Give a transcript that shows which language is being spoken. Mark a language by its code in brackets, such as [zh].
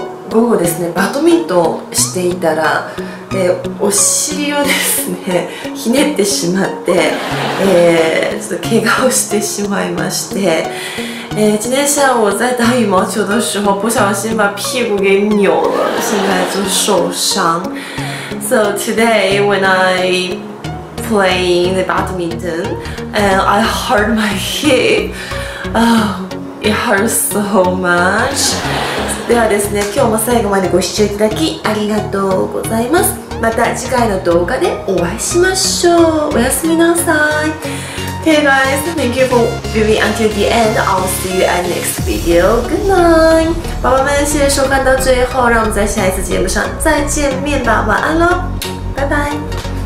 [ja] 午後ですね、バドミントンしていたら、お尻をですね、ひねってしまって、ちょっと怪我をしてしまいまして、 [zh] 今天下午我在打羽毛球的时候不小心把屁股给扭了，现在就受伤。 [en] So today when I playing the badminton and I hurt my hip. Oh, it hurts so much. [ja] ではですね、今日も最後までご視聴いただきありがとうございます。また次回の動画でお会いしましょう。おやすみなさい。 [en] Hey guys, thank you for viewing until the end. I'll see you at next video. Good night. [zh] 宝宝们，谢谢收看到最后，让我们在下一次节目上再见面吧。晚安喽，拜拜。